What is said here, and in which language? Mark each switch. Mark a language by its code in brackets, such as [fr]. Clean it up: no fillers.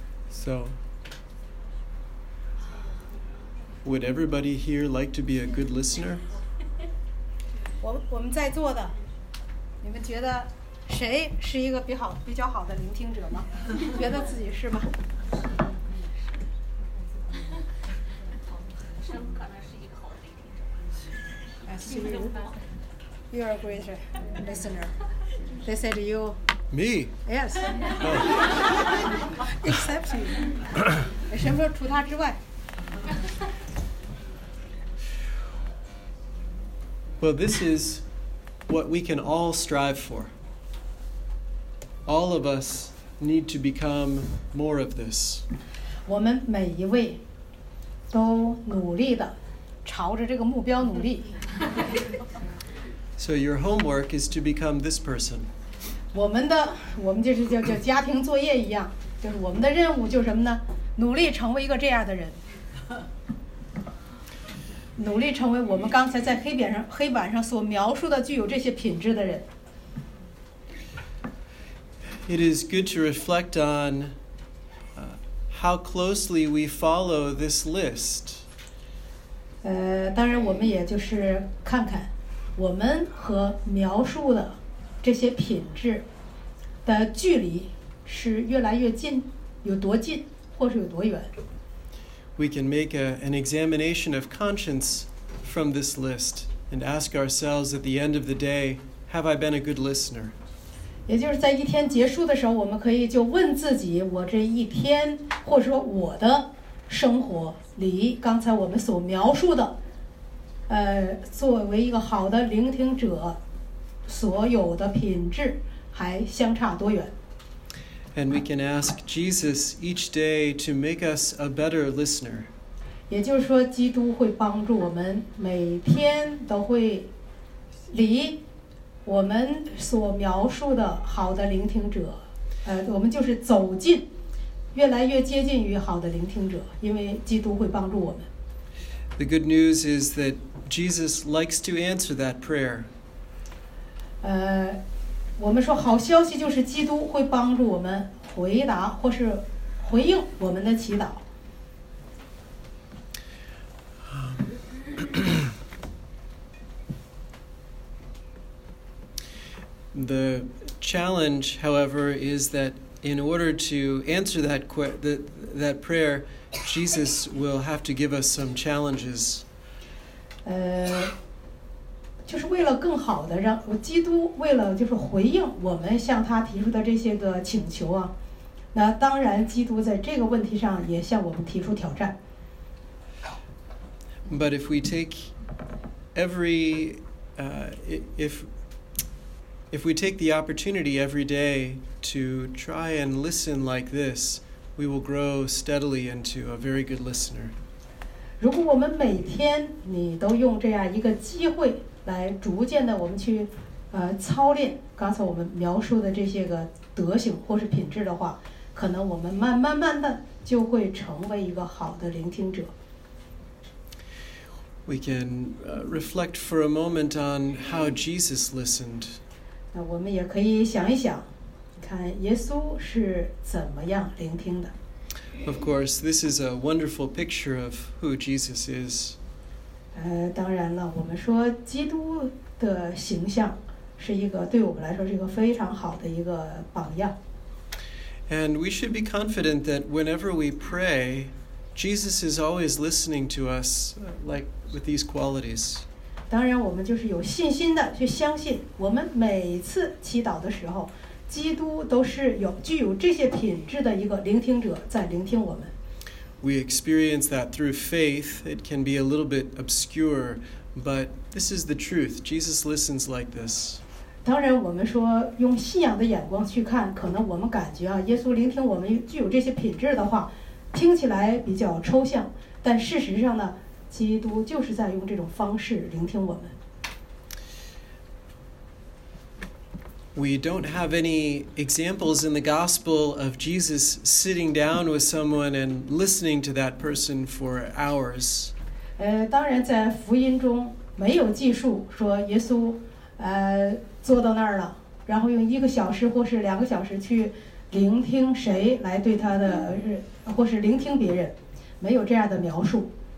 [en] So, would everybody here like to be a good listener? [zh] 我们在座的，你们觉得谁是一个比较好的聆听者吗？觉得自己是吗？ [en] You are a great listener. They said you. Me? Yes. Oh. Except you. [zh] 什么除他之外？ [en] Well, this is what we can all strive for. All of us need to become more of this. [zh] 我们每一位都努力地朝着这个目标努力。 [en] So your homework is to become this person. [zh] 我们就是叫家庭作业一样，就是我们的任务就是什么呢？努力成为一个这样的人，努力成为我们刚才在黑板上所描述的具有这些品质的人。 [en] It is good to reflect on how closely we follow this list. [zh] 当然我们也就是看看。我们和描述的这些品质的距离是越来越近，有多近，或是有多远？ [en] We can make an examination of conscience from this list and ask ourselves at the end of the day, have I been a good listener? [zh] 也就是在一天结束的时候，我们可以就问自己，我这一天，或者说我的生活里，刚才我们所描述的作为一个好的聆听者所有的品质还相差多远。 [en] And we can ask Jesus each day to make us a better listener. [zh] 也就是说基督会帮助我们每天都会离我们所描述的好的聆听者我们就是走近越来越接近于好的聆听者因为基督会帮助我们。 [en] The good news is that Jesus likes to answer that prayer. [zh] 我们说好消息就是基督会帮助我们回答或是回应我们的祈祷。 [en] The challenge, however, is that in order to answer that prayer, Jesus will have to give us some challenges. [zh] 就是为了更好的让基督为了就是回应我们向他提出的这些个请求啊，那当然基督在这个问题上也向我们提出挑战。 [en] But if we take every if we take the opportunity every day to try and listen like this, we will grow steadily into a very good listener. [zh] 如果我们每天你都用这样一个机会来逐渐的我们去操练刚才我们描述的这些个德行或是品质的话，可能我们慢慢的就会成为一个好的聆听者。 [en] We can reflect for a moment on how Jesus listened. [zh] 那我们也可以想一想，看耶稣是怎么样聆听的。 [en] Of course, this is a wonderful picture of who Jesus is. [zh] 当然了，我们说基督的形象是一个对我们来说是一个非常好的一个榜样。 [en] And we should be confident that whenever we pray, Jesus is always listening to us, like with these qualities. [zh] 当然，我们就是有信心的去相信，我们每次祈祷的时候，基督都是有具有这些品质的一个聆听者在聆听我们。 [en] We experience that through faith. It can be a little bit obscure, but this is the truth. Jesus listens like this. [zh] 当然，我们说用信仰的眼光去看，可能我们感觉啊，耶稣聆听我们具有这些品质的话，听起来比较抽象。但事实上呢，基督就是在用这种方式聆听我们。 [en] We don't have any examples in the gospel of Jesus sitting down with someone and listening to that person for hours. [zh] 当然在福音中没有记述说耶稣坐到那儿了，然后用一个小时或是两个小时去聆听谁来对他的，或是聆听别人，没有这样的描述。